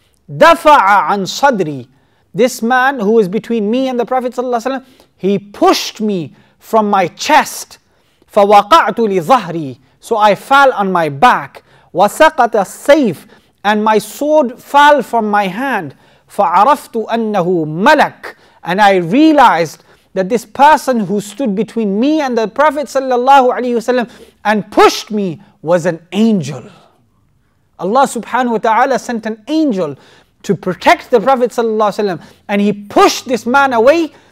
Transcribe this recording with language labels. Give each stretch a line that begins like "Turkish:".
Arabic: Dafa'a an sadri.
English: This man who was between me and the Prophet ﷺ, he pushed me from my chest.
Arabic: فَوَقَعْتُ لِظَهْرِي.
English: So I fell on my back.
Arabic: وَسَقَطَ السَّيْفِ.
English: And my sword fell from my hand.
Arabic: فَعَرَفْتُ أَنَّهُ malak.
English: And I realized that this person who stood between me and the Prophet ﷺ and pushed me was an angel. Allah subhanahu wa ta'ala sent an angel to protect the Prophet sallallahu alaihi wasallam, and he pushed this man away.